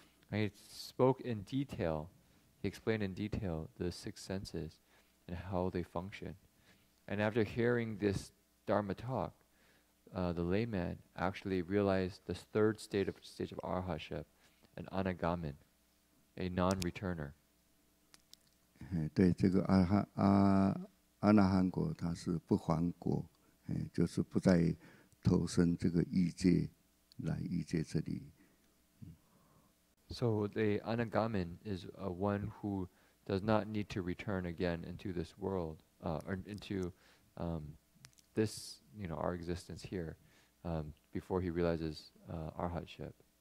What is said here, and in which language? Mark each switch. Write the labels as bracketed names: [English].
[English] And he spoke in detail, he explained in detail the six senses and how they function. And after hearing this Dharma talk, the layman actually realized the third stage of arhatship, an anagamin, a non-returner. [Chinese] 对，这个阿那含果它是不还果，就是不在 [English] So the anagamin is one who does not need to return again into this world, or into this, you know, our existence here, before he realizes arhatship.